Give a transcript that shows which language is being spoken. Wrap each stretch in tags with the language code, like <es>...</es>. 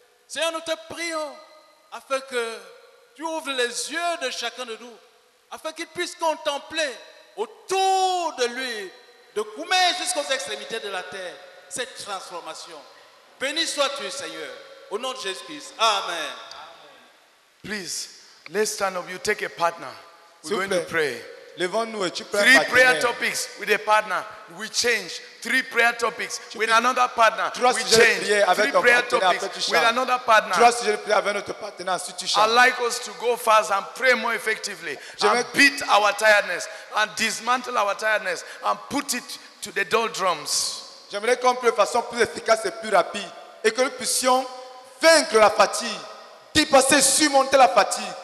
<fr>Seigneur, nous te prions afin que tu ouvres les yeux de chacun de nous, afin qu'il puisse contempler autour de lui, de Koumé jusqu'aux extrémités de la terre, cette transformation. Béni sois-tu, Seigneur, au nom de Jésus-Christ. Amen.</fr> <en>Please, let's stand up. You take a partner. We're going to pray.</en> <fr>Levons-nous et tu prends un partenaire.</fr> <en>Three prayer topics with a partner. We change. Three prayer topics with another partner. We change. Three prayer topics with another partner.</en> <fr>Trois sujets de prière avec notre partenaire, ensuite tu changes.</fr> <en>I'd like us to go fast and pray more effectively. And beat our tiredness and dismantle our tiredness and put it to the doldrums.</en> <fr>J'aimerais qu'on prie de façon plus efficace et plus rapide et que nous puissions vaincre la fatigue, dépasser, surmonter la fatigue.</fr>